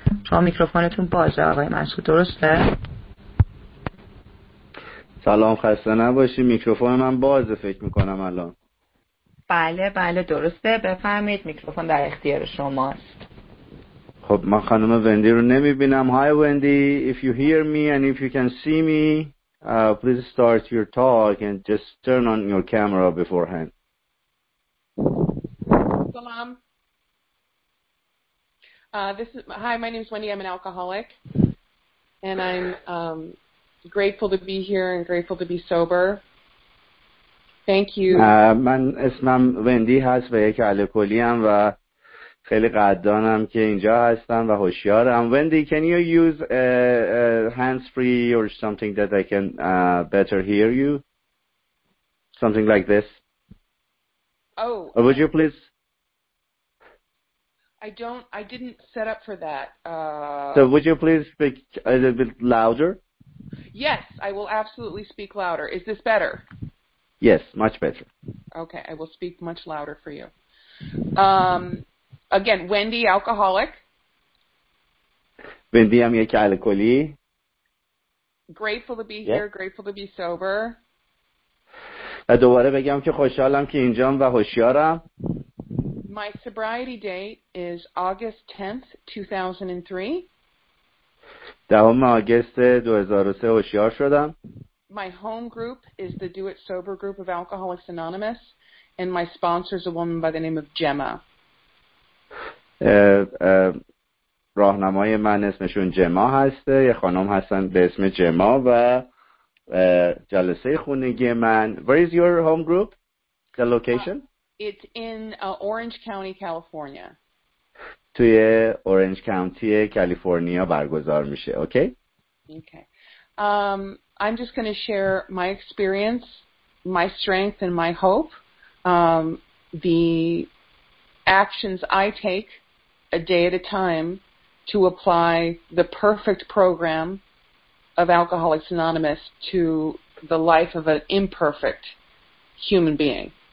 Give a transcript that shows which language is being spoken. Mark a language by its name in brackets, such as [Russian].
[Persian] شما میکروفونتون بازه آقای مسعود، درسته؟ سلام، خسته نباشید، میکروفون من بازه فکر میکنم الان. بله درسته، بفهمید میکروفون در اختیار شماست. خب من خانم وندی رو نمیبینم. [English] Hi Wendy, if you hear me and if you can see me, please start your talk and just turn on your camera beforehand. [Persian] Salam. [English] Hi, my name is Wendy. I'm an alcoholic and I'm grateful to be here and grateful to be sober. Thank you. [Persian] من اسمم وندی هست و یک الکلی ام و خیلی قدردانم که اینجا هستم و هوشیارم. [English] Wendy, can you use hands-free or something that I can better hear you? Something like this. Oh. Would you please? I didn't set up for that. So would you please speak a little bit louder? Yes, I will absolutely speak louder. Is this better? Yes, much better. Okay, I will speak much louder for you. Again, Wendy, alcoholic. Wendy, I'm your alcoholy. Grateful to be here. Yeah. Grateful to be sober. [Persian] دوباره بگم که خوشحالم که اینجام و هوشیارم. [English] My sobriety date is August 10th, [Persian] 2003. دهم آگوست 2003 هوشیار شدم. [English] My home group is the Do It Sober group of Alcoholics Anonymous, and my sponsor is a woman by the name of Gemma. [Persian] راهنمای من اسمشون جما هسته، یه خانم هستن به اسم جما و جلسه خونگی من. [English] Where is your home group? The location? It's in Orange County, California. [Persian] توی اورنج کانتی کالیفرنیا برگزار میشه. [English] Okay? Okay. I'm just going to share my experience, my strength and my hope. The actions I take a day at a time to apply the perfect program of Alcoholics Anonymous to the life of an imperfect human being.